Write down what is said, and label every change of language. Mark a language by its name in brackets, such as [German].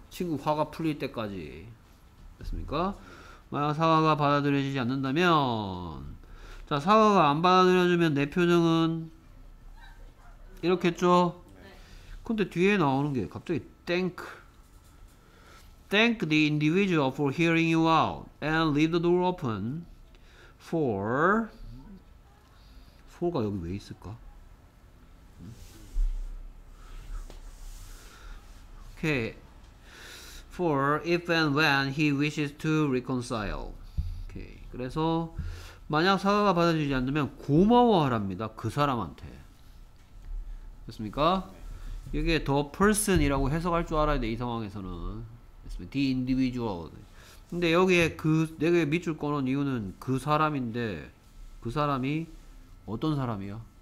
[Korean] 친구 화가 풀릴 때까지. 됐습니까? 만약 사과가 받아들여지지 않는다면 자, 사과가 안 받아들여지면 내 표정은 이렇겠죠? 근데 뒤에 나오는 게 갑자기 땡크. [English] Thank the individual for hearing you out and leave the door open. [Korean] For가 여기 왜 있을까? [English] Okay. For if and when he wishes to reconcile. Okay. [Korean] 그래서 만약 사과가 받아주지 않으면 고마워하랍니다. 그 사람한테. 됐습니까? 이게 the person이라고 해석할 줄 알아야 돼. 이 상황에서는. [English] The individual. [Korean] 근데 여기에 그 내게 밑줄 꺼놓은 이유는 그 사람인데 그 사람이 어떤 사람이야?